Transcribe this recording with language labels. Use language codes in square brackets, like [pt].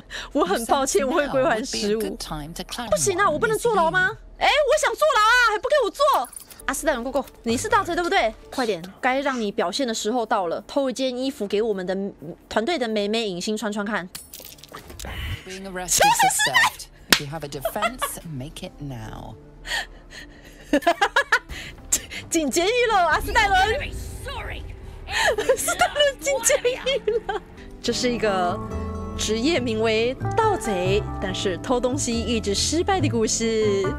[zh] 我很抱歉，我会归还15。不行啊，我不能坐牢吗？我想坐牢啊，还不给我坐？阿斯坦，go， 你是盗贼对不对？快点，该让你表现的时候到了。偷一件衣服给我们的团队的妹妹隐形穿穿看。求生失败。 [en] If you have a defense, make it now. [zh] 进监狱了，阿斯戴伦。 Sorry， 阿斯戴伦进监狱了。这是一个职业名为盗贼，但是偷东西一直失败的故事。